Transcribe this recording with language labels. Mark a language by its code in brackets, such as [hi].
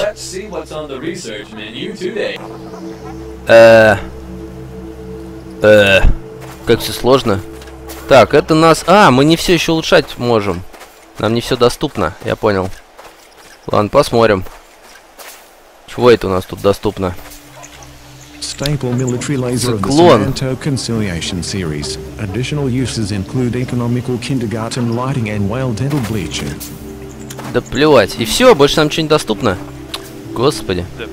[ru] Как все сложно. Так, это нас... А, мы не все еще улучшать можем. Нам не все доступно, я понял. Ладно, посмотрим. Чего это у нас тут доступно? [en] Staple military laser of the Santo Conciliation series. Additional uses include economical kindergarten lighting and whale dental bleaching. [ru] Да плевать. И все, больше нам что-нибудь доступно. Господи.